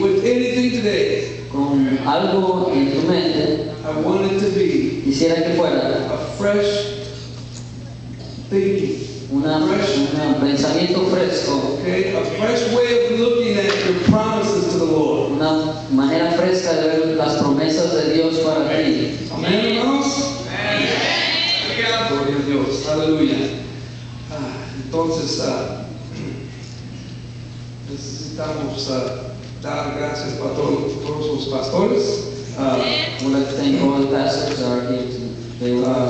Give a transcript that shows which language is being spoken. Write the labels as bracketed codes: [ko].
[en] with anything today, [es] con algo en tu mente, [en] I want it to be [es] quisiera que fuera, [en] a fresh thinking. [es] Un pensamiento fresco. [en] Okay, a fresh way of looking at your promises to the Lord. [es] Una manera fresca de ver las promesas de Dios para ti. Amén, hermanos. Gloria a Dios. Aleluya. Entonces, necesitamos dar gracias a todos los pastores. [en] We'd like to thank all the pastors that are here today.